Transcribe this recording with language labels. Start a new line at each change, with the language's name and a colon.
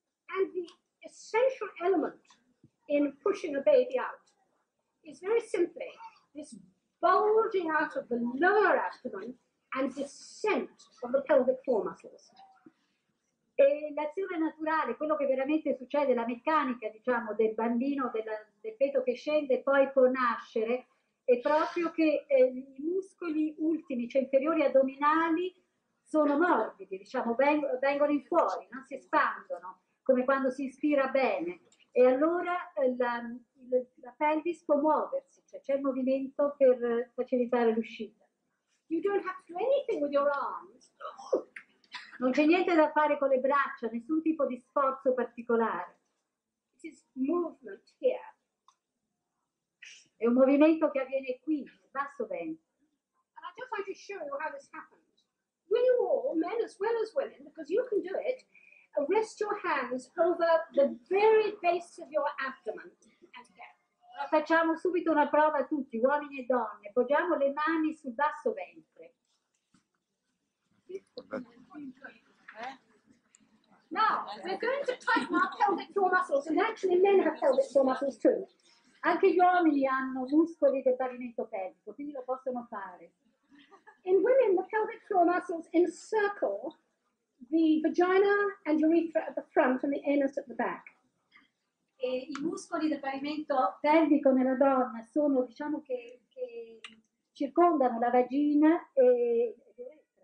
English: And the essential element in pushing a baby out is very simply this bulging out of the lower abdomen and descent of the pelvic floor muscles.
Italian: E l'azione naturale, quello che veramente succede, la meccanica, diciamo, del bambino, del feto che scende e poi può nascere, è proprio che i muscoli ultimi, cioè inferiori addominali, sono morbidi, diciamo, vengono in fuori, non si espandono, come quando si ispira bene. E allora la pelvis può muoversi, cioè c'è il movimento per facilitare l'uscita.
English: You don't have to do anything with your arms.
Italian: Non c'è niente da fare con le braccia, nessun tipo di sforzo particolare.
English: It is movement here.
Italian: È un movimento che avviene qui, basso ventre.
English: And I just want to show you how this happens. Will you all, men as well as women, because you can do it, rest your hands over the very base of your abdomen.
Italian: Facciamo subito una prova a tutti, uomini e donne. Poggiamo le mani sul basso ventre.
English: Now, we're going to tighten our pelvic floor muscles, and actually men have pelvic floor muscles too.
Italian: Anche gli uomini hanno muscoli del pavimento pelvico, quindi lo possono fare.
English: In women, the pelvic floor muscles encircle the vagina and urethra at the front and the anus at the back.
Italian: E i muscoli del pavimento pelvico nella donna sono, diciamo, che circondano la vagina e l'uretra.